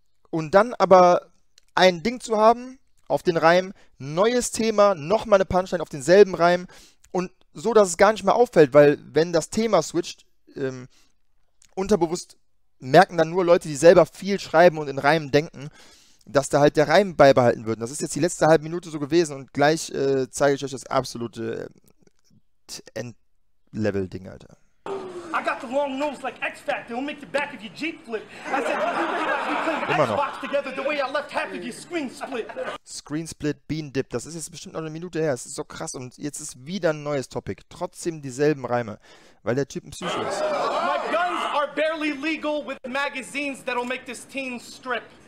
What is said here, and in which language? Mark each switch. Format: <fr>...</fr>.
<de>Und dann aber ein Ding zu haben auf den Reim, neues Thema, nochmal eine Punchline auf denselben Reim und so, dass es gar nicht mehr auffällt, weil wenn das Thema switcht, unterbewusst merken dann nur Leute, die selber viel schreiben und in Reimen denken, dass da halt der Reim beibehalten wird. Das ist jetzt die letzte halbe Minute so gewesen und gleich zeige ich euch das absolute Endlevel-Ding, Alter.</de> <en>I got the long nose like X-Factor, it'll make the back of your Jeep flip. I said, we Xbox together the way I left half of your screen split.</en> <de>Screen split, Bean Dip, das ist jetzt bestimmt noch eine Minute her, es ist so krass und jetzt ist wieder ein neues Topic. Trotzdem dieselben Reime, weil der Typ ein Psycho ist.</de> <en>My guns are barely legal with magazines that'll make this teen strip.</en>